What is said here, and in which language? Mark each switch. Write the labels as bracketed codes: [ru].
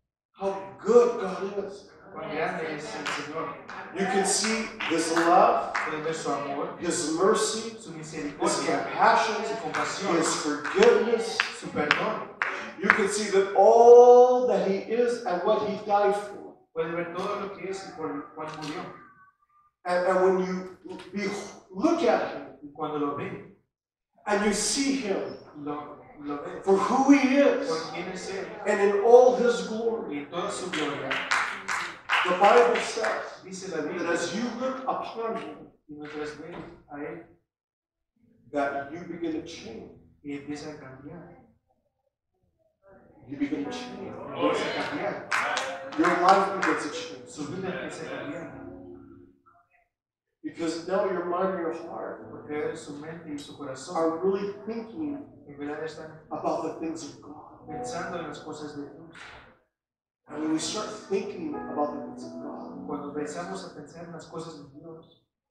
[en] How good God is. [es] Grande es el Señor. [en] You can see His love, [es] puede ver su amor, [en] His mercy, [es] su misericordia, [en] His compassion, [es] su compasión, [en] His forgiveness, [es] su perdón. [en] You can see that all that He is and what He died for. [es] Puede ver todo lo que es y por cuál murió. [en] And when you look at Him, [es] cuando lo ve, [en] And you see him [es] lo [en] for who he is and in all his glory. [es] Y toda su gloria. [en] The Bible says [es] dice la Biblia, [en] that as you look upon him, [es] y mientras ven a él, [en] that you begin to change. [es] Y empieza a cambiar. [en] You begin to change. Oh, yeah. Your life begins to change. [es] Su vida empieza a cambiar. [en] Because now your mind and your heart [es] su mente y su corazón [en] are really thinking [es] en verdad están [en] about the things of God. [es] Pensando en las cosas de Dios. [en] And when we start thinking about the things of God, [es] cuando empezamos a pensar en las cosas de Dios,